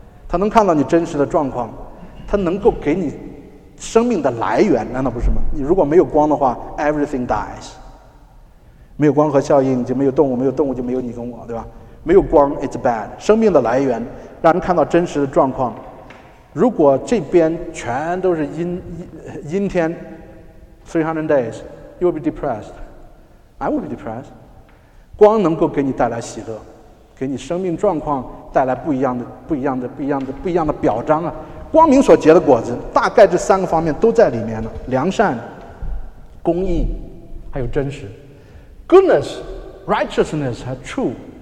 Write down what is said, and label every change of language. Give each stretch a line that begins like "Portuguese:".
Chinese: 它能看到你真实的状况，它能够给你生命的来源，难道不是吗？你如果没有光的话，
English: Everything dies。
Chinese: 没有光合效应就没有动物，没有动物就没有你跟我，对吧？没有光
English: it's bad，
Chinese: 生命的来源，让人看到真实的状况。如果这边全都是阴天
English: 300 days you will be depressed，
Chinese: I will be depressed。光能够给你带来喜乐，给你生命状况带来不一样的表彰啊。光明所结的果子大概这三个方面都在里面了，良善、公义还有真实。
English: Goodness, righteousness, and true.